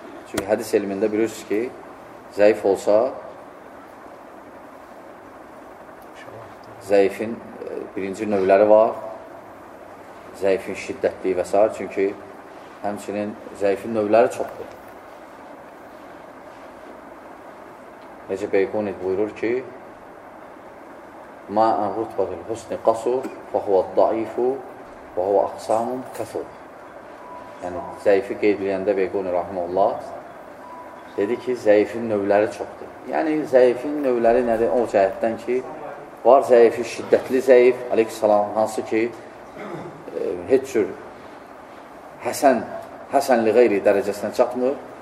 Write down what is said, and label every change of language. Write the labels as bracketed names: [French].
[Azerbaijani] Çünki hədis elmində bilirsiniz ki, zəif olsa zəifin birinci növləri var. Zəifin şiddətli və s. Çünki həmçinin zəifin növləri çoxdur. Necə Beykunid buyurur ki, [Arabic] مَا أَنْ رُتْبَةِ الْحُسْنِ قَصُرْ فَهُوَ الضَّعِيفُ وَهُوَ أَقْسَامٌ كَثُرْ. [Azerbaijani] Yəni, zəifi qeyd edəndə Beykunid rahiməhullah dedi ki, zəifin növləri çoxdur. Yəni, zəifin növləri nədir? O cəhətdən ki, var zəifi, şiddətli zəif, aleyküsselam, hansı ki, heç cür həsənli qeyri dərəcəsində çatmır.